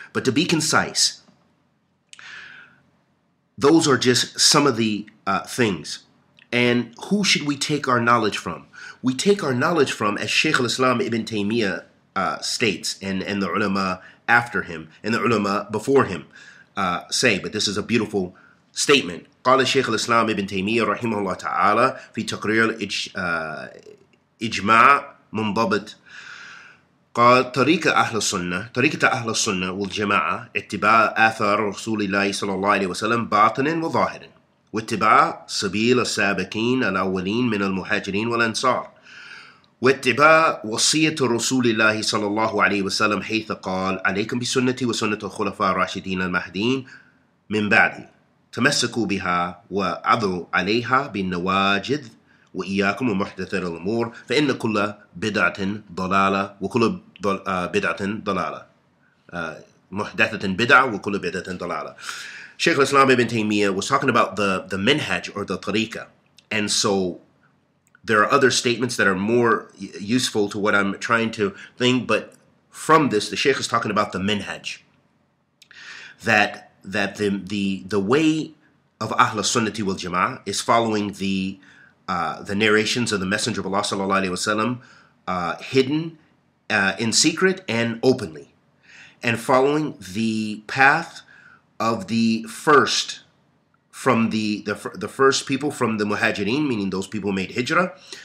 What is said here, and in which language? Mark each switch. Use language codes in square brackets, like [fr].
[en] But to be concise, those are just some of the things. And who should we take our knowledge from? We take our knowledge from, as Shaykh al-Islam Ibn Taymiyyah states, and the ulama after him, and the ulama before him say, but this is a beautiful statement. [ar] قال الشيخ الإسلام ابن تيمية رحمه الله تعالى في تقرير الإجماع منضبط قال طريقة أهل السنة طريقة أهل السنة والجماعة اتباع آثار رسول الله صلى الله عليه وسلم باطنا وظاهرا واتباع سبيل السابقين الأولين من المهاجرين والأنصار واتباع وصية رسول الله صلى الله عليه وسلم حيث قال عليكم بسنتي وسنة الخلفاء الراشدين المهديين من بعدي تمسكوا بها وعضوا عليها بالنواجد وإياكم ومحدثات الأمور فإن كل بدعة ضلالة وكل بدعة ضلالة محدثة بدعة وكل بدعة ضلالة. [en] Shaykh al-Islam ibn Taymiyyah was talking about the minhaj or the tariqa, and so there are other statements that are more useful to what I'm trying to think, but from this the Shaykh is talking about the minhaj, that the way of Ahl Sunnati wal Jama'ah is following the narrations of the Messenger of Allah sallallahu alayhi wa sallam, hidden in secret and openly, and following the path of the first from the first people from the Muhajireen, meaning those people who made Hijrah,